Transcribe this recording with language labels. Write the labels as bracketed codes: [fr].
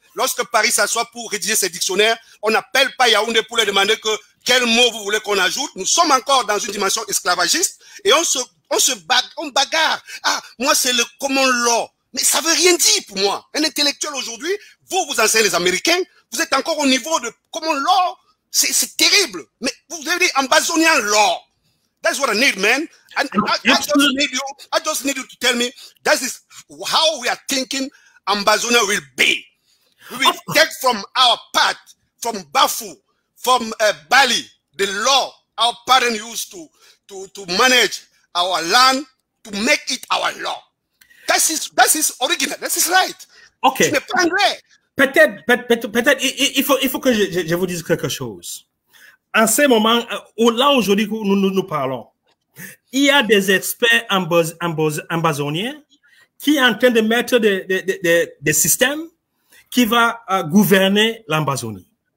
[fr] Lorsque Paris s'assoit pour rédiger ses dictionnaires, on n'appelle pas Yaoundé pour lui demander que quel mot vous voulez qu'on ajoute. Nous sommes encore dans une dimension esclavagiste et on bagarre. Ah, moi c'est le common law, mais ça veut rien dire pour moi. Un intellectuel aujourd'hui, vous enseignez les Américains, vous êtes encore au niveau de common law. C'est terrible. Mais vous avez dit en basonian law. [en] That's what I need, man. And I just need you to tell me that is how we are thinking Ambazonia will be. We will take from our part, from Bafu, from Bali, the law our parents used to manage our land, to make it our law. That is original. That is right. Okay. [fr] Peut-être, il faut que je vous dise quelque chose. En ce moment, là aujourd'hui que nous parlons, il y a des experts ambazoniens qui sont en train de mettre des systèmes qui vont gouverner l'Ambazonie.